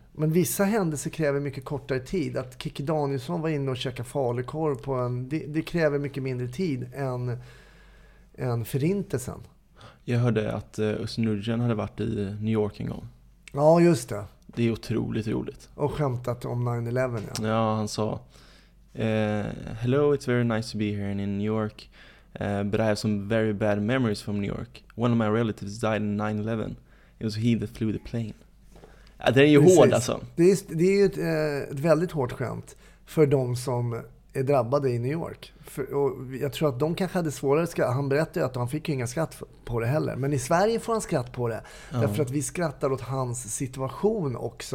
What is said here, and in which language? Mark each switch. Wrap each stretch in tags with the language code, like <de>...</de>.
<sv>Men vissa händelser kräver mycket kortare tid. Att Kikki Danielsson var inne och käkade falukorv på en, det kräver mycket mindre tid än förintelsen. Jag hörde att Özz-Nurjan hade varit i New York en gång. Ja, just det. Det är otroligt roligt. Och skämtat om 9-11. Ja, ja, han sa</sv> <en>"Hello, it's very nice to be here in New York, but I have some very bad memories from New York. One of my relatives died in 9-11. It was he that flew the plane."</en> <sv>Ja, det är ju hård alltså. Det är ju ett väldigt hårt skämt för de som är drabbade i New York. Och jag tror att de kanske hade svårare skratt. Han berättade ju att han fick ju inga skratt på det heller. Men i Sverige får han skratt på det. Mm. Därför att vi skrattar åt hans situation också.</sv>